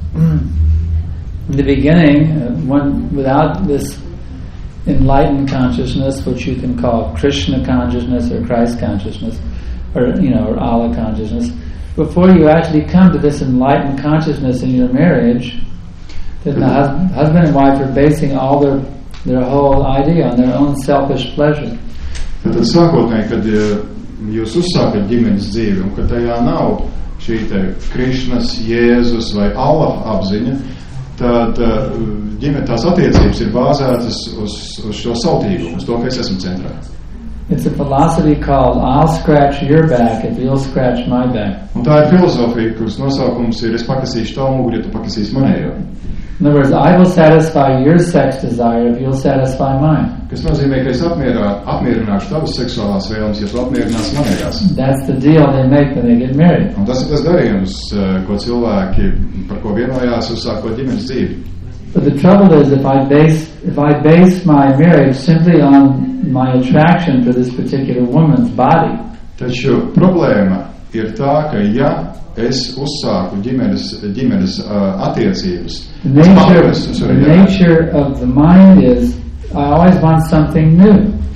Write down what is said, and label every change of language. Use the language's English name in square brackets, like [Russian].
[English] In the beginning, one without this enlightened consciousness, which you can call Krishna consciousness or Christ consciousness, or you know, or Allah consciousness. Before you actually come to this enlightened consciousness in your marriage, then the husband and wife are basing all their whole idea on their own selfish pleasure. [Latvian] Tad sākotnēji, kad jūs uzsākat ģimenes dzīvi, un kad tajā nav šī te Krišnas, Jēzus vai Allah apziņa, tad ģimenes tās attiecības ir bāzētas uz šo sautīgumu, uz to, ka es esmu centrā. [English] It's a philosophy called I'll scratch your back if you'll scratch my back. [Latvian] Un tā ir filozofija, kuras nosaukums ir es pakasīšu tavu muguri, ja tu pakasīsi manējo. [English] In other words, I will satisfy your sex desire if you'll satisfy mine. [Latvian] Kas nozīmē, ka es apmierināšu tavas seksuālās vēlmes, ja tu apmierinās manējās. [English] That's the deal they make when they get married. [Latvian] Un tas ir tas darījums, ko cilvēki, par ko vienojās, uzsākot ģimenes dzīvi. [English] But the trouble is if I base my marriage simply on my attraction for this particular woman's body. [Latvian] Taču problēma ir tā, ka ja es uzsāku ģimenes attiecības, [English] the nature of the mind is I always want something new.